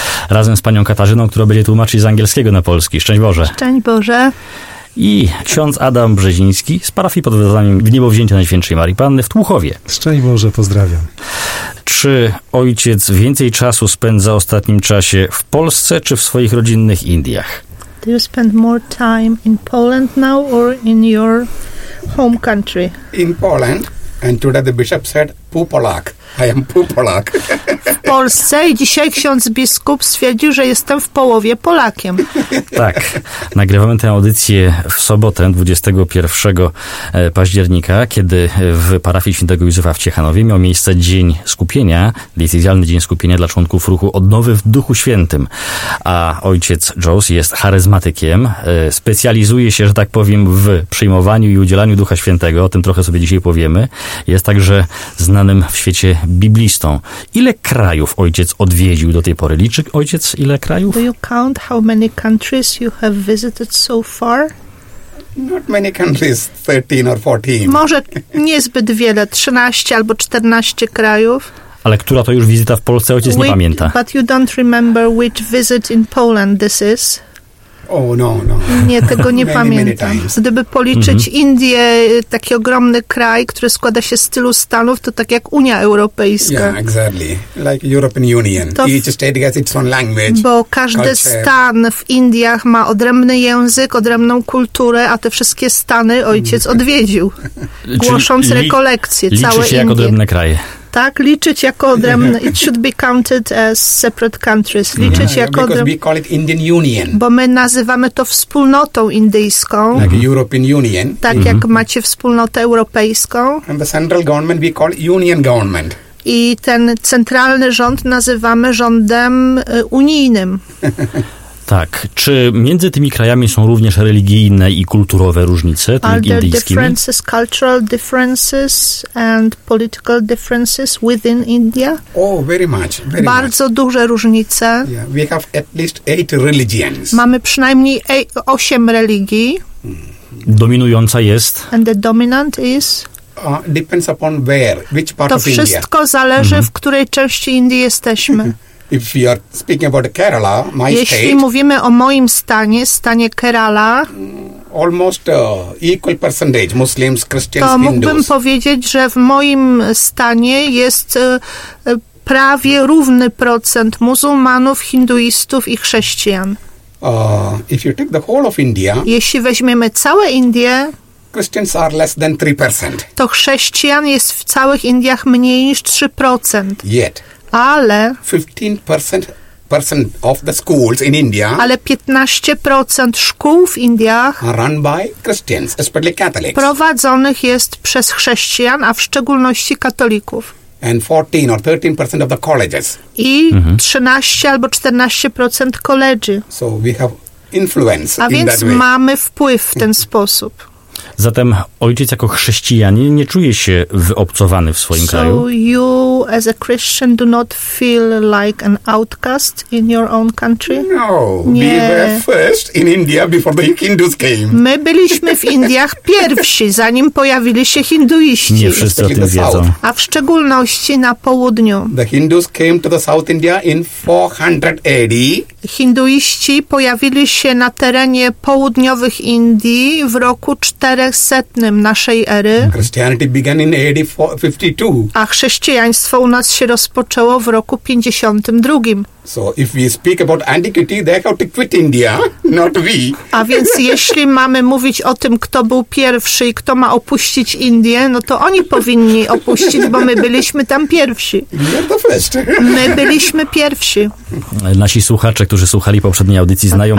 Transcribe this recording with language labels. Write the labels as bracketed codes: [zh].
[pl] Razem z panią Katarzyną, która będzie tłumaczyć z angielskiego na polski. Szczęść Boże. Szczęść Boże. I ksiądz Adam Brzeziński z parafii pod wezwaniem Wniebowzięcia Najświętszej Marii Panny w Tłuchowie. Szczęść Boże, pozdrawiam. Czy ojciec więcej czasu spędza w ostatnim czasie w Polsce czy w swoich rodzinnych Indiach? [en] Do you spend more time in Poland now or in your home country? In Poland. And today the bishop said, [pl] "Pół Polak." [en] I am [pl] pół Polak. W Polsce i dzisiaj ksiądz biskup stwierdził, że jestem w połowie Polakiem. Tak. Nagrywamy tę audycję w sobotę, 21 października, kiedy w parafii świętego Józefa w Ciechanowie miał miejsce dzień skupienia, decyzjalny dzień skupienia dla członków ruchu Odnowy w Duchu Świętym. A ojciec Jos jest charyzmatykiem, specjalizuje się, że tak powiem, w przyjmowaniu i udzielaniu Ducha Świętego, o tym trochę sobie dzisiaj powiemy. Jest także znanym w świecie biblistą. Ile krajów ojciec odwiedził do tej pory? Liczy ojciec ile krajów? [en] Do you count how many countries you have visited so far? Not many countries, 13 or 14. [pl] Może niezbyt wiele, 13 albo 14 krajów. Ale która to już wizyta w Polsce, ojciec nie pamięta. [en] But you don't remember which visit in Poland this is. Oh, no. [pl] Nie, tego nie pamiętam. [en] Many times. [pl] Gdyby policzyć Indie, taki ogromny kraj, który składa się z tylu stanów, to tak jak Unia Europejska. [en] Yeah, exactly. Like European Union. To each state has its own language. [pl] Bo każdy [en] culture. [pl] Stan w Indiach ma odrębny język, odrębną kulturę, a te wszystkie stany ojciec odwiedził, głosząc rekolekcje całe Indie. Liczy się jak odrębne kraje. Tak, liczyć jako odrębne. [en] It should be counted as separate countries. [pl] Liczyć jako odrębne. [en] Because we call it Indian Union. [pl] Bo my nazywamy to wspólnotą indyjską. [en] Like European Union. [pl] Tak, jak macie wspólnotę europejską. [en] And the central government we call Union Government. [pl] I ten centralny rząd nazywamy rządem unijnym. Tak. Czy między tymi krajami są również religijne i kulturowe różnice, tymi indyjskimi? [en] Are there differences, cultural differences and political differences within India? Oh, very much, very [pl] Bardzo duże różnice. [en] Yeah, we have at least 8 religions. [pl] Mamy przynajmniej 8 religii. Dominująca jest? [en] And the dominant is? Depends upon where, which part [pl] to [en] of India. [pl] To wszystko zależy, w której części Indii jesteśmy. [en] If you are speaking about Kerala, my [pl] Jeśli [en] state, [pl] mówimy o moim stanie, stanie Kerala, [en] almost equal percentage Muslims, Christians, [pl] to [en] Hindus. [pl] Mógłbym powiedzieć, że w moim stanie jest prawie równy procent muzułmanów, hinduistów i chrześcijan. [en] If you take the whole of India, [pl] jeśli weźmiemy całe Indie, [en] Christians are less than 3%. [pl] To chrześcijan jest w całych Indiach mniej niż 3%. [en] Yet. [pl] Ale [en] 15% of the schools in India. [pl] Ale 15% szkół w Indiach [en] are run by Christians, especially Catholics. [pl] Prowadzonych jest przez chrześcijan, a w szczególności katolików. [en] And 14 or 13% of the colleges. [pl] I 13 albo 14% college. [en] So we have influence. [pl] A więc mamy wpływ w ten sposób. Zatem ojciec jako chrześcijanin nie czuje się wyobcowany w swoim kraju. [en] So you as a Christian do not feel like an outcast in your own country? [pl] No, nie. [en] We were first in India before the Hindus came. [pl] My byliśmy w Indiach pierwsi, zanim pojawili się hinduiści. Nie wszyscy o tym wiedzą. A w szczególności na południu. [en] The Hindus came to the South India in 400 AD. [pl] Hinduiści pojawili się na terenie południowych Indii w roku 400 naszej ery. [en] Christianity began in AD 52. [pl] A chrześcijaństwo u nas się rozpoczęło w roku 52. [en] So if we speak about antiquity, they have to quit India, not we. [pl] A więc jeśli mamy mówić o tym, kto był pierwszy i kto ma opuścić Indię, no to oni powinni opuścić, bo my byliśmy tam pierwsi. My byliśmy pierwsi. Nasi słuchacze, którzy słuchali poprzedniej audycji, znają